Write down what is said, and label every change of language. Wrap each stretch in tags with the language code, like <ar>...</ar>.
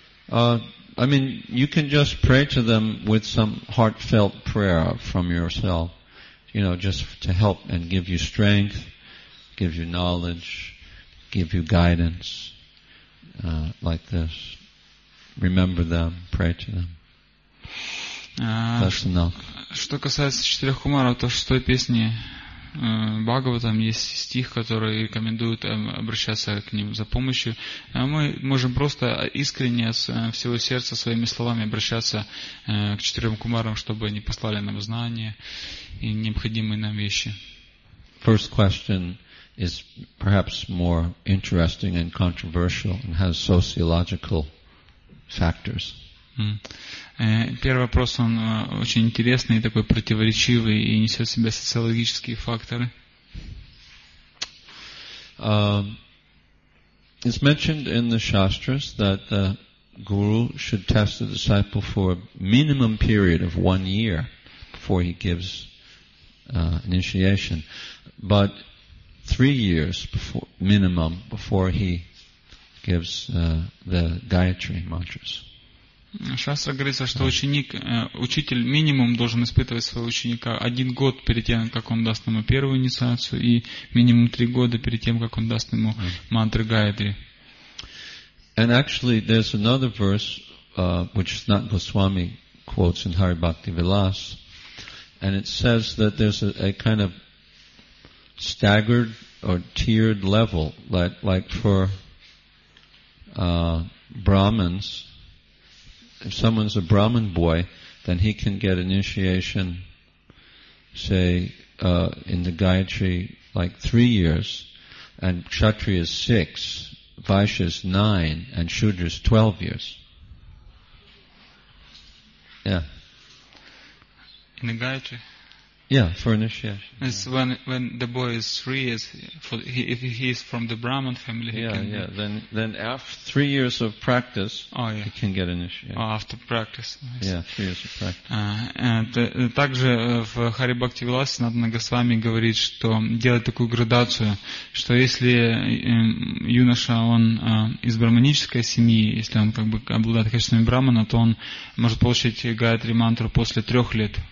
<en>I mean, you can just pray to them with some heartfelt prayer from yourself, you know, just to help and give you strength, give you knowledge, give you guidance, like this. Remember them, pray to them. That's enough.</en> <ru>Что касается четырех кумаров, то шестой песни Бхагаватам есть стих, который рекомендует обращаться к ним за помощью. Мы можем просто искренне, с всего сердца, своими словами обращаться к четырем кумарам, чтобы они послали нам знания и необходимые нам вещи.</ru> <en>First question is perhaps more interesting and controversial and has sociological factors.</en> <ru>Первый вопрос, он очень интересный, такой противоречивый и несет в себе социологические факторы.</ru> <en>It's mentioned in the Shastras that the guru should test the disciple for a minimum period of 1 year before he gives initiation. But 3 years before, minimum before he gives the Gayatri mantras.</en> <ru>Шастра говорится, что ученик, учитель минимум должен испытывать своего ученика 1 год перед тем, как он даст ему первую инициацию, и минимум 3 года перед тем, как он даст ему мантры Гайдри.</ru> <en>And actually, there's another verse, which is not Goswami quotes in Hari Bhakti Vilas, and it says that there's a kind of staggered or tiered level, like for Brahmins. If someone's a Brahmin boy, then he can get initiation, say, in the Gayatri, like 3 years, and Kshatriya is 6, Vaishya is 9, and Shudra is 12 years. Yeah. In the Gayatri? Yeah, for initiation. It's when the boy is 3 years, if he is from the Brahmin family, then after 3 years of practice, he can get initiated. Oh, after practice. Yeah, 3 years of practice.</en> <ru>Также в Хари Бхакти Виласе Сиддханта Госвами говорит, что делает такую градацию, что если юноша, он из брахманической семьи, если он как бы обладает качествами брахмана, то он может получить Гаятри мантру после 3 лет</ru>